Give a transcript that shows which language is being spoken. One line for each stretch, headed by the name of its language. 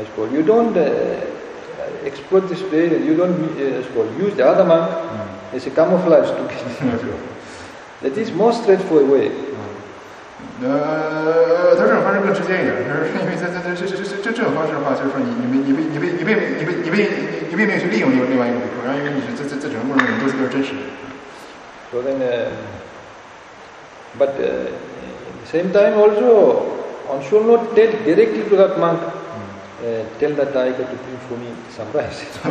English: You don't exploit this way, you don't use the other man as a camouflage to get it. That is more straightforward way.
Chinese: 他这种方式更直接一点，就是因为在这种方式的话，就是说你并没有去利用另外一个，然后因为你是这整个过程中，你都是个真实的。So
English: then, but at the same time also, one should not tell directly to that monk. Tell that daika to bring for me some rice.